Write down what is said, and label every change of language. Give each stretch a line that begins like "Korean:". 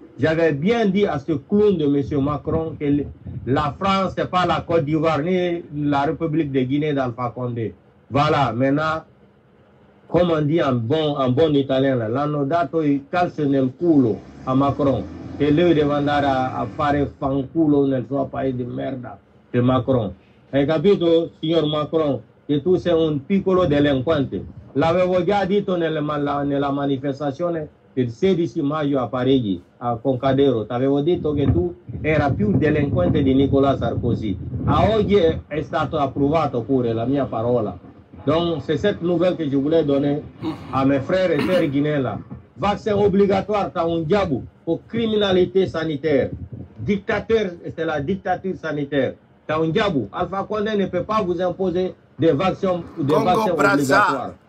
French: J'avais bien dit à ce clown de M. Macron que la France, ce n'est pas la Côte d'Ivoire ni la République de Guinée d'Alpha Condé. Voilà, maintenant, comme on dit en bon italien, là,
Italian: l'hanno dato il calcio nel culo
French: à Macron. Et lui demander à
Italian: fare fanculo nel suo paese di merda de Macron. Hai capito, signor Macron, que tu sei un piccolo delinquente. L'avevo già detto nella manifestazione del 16 maggio a Parigi, a Concadero. T'avevo detto che tu era più delinquente di Nicolas Sarkozy. A oggi è stato approvato pure la mia parola.
French: Donc, c'est cette nouvelle que je voulais donner à mes frères et sœurs guinéens. Vaccin obligatoire, t'as un diabou pour criminalité sanitaire. Dictateur, c'est la dictature sanitaire. T'as un diabou. Alpha Condé ne peut pas vous imposer des vaccins obligatoires.